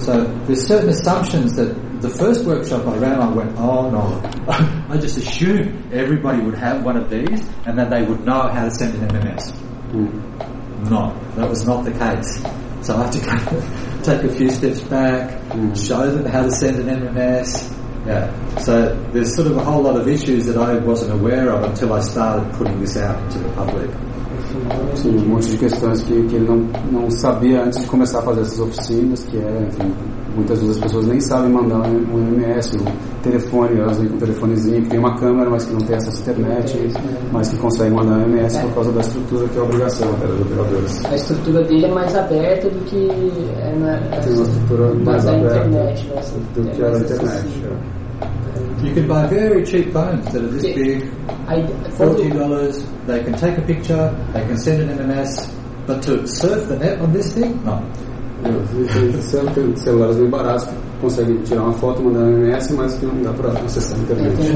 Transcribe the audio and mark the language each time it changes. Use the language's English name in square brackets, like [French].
[English] So there's certain assumptions that the first workshop I ran, I went, oh no, I just assumed everybody would have one of these and that they would know how to send an MMS. No, that was not the case. So I have to kind of take a few steps back, show them how to send an MMS. Yeah, so there's sort of a whole lot of issues that I wasn't aware of until I started putting this out into the public. [Portuguese] Sim, um monte de questões que ele não sabia antes de começar a fazer essas oficinas, que é, enfim, muitas vezes as pessoas nem sabem mandar um MMS, um telefone, elas vêm com um telefonezinho que tem uma câmera, mas que não tem acesso à internet, mas que consegue mandar um MMS por causa da estrutura, que é a obrigação até dos operadores. A estrutura dele é mais aberta do que tem uma estrutura mais aberta do que a internet. [English] You can buy very cheap phones that are this big, $14, they can take a picture, they can send an MMS, but to surf the net on this thing, no. [Portuguese] Celulares bem baratos que conseguem tirar uma foto e mandar um MMS, mas que não dá para acessar a internet.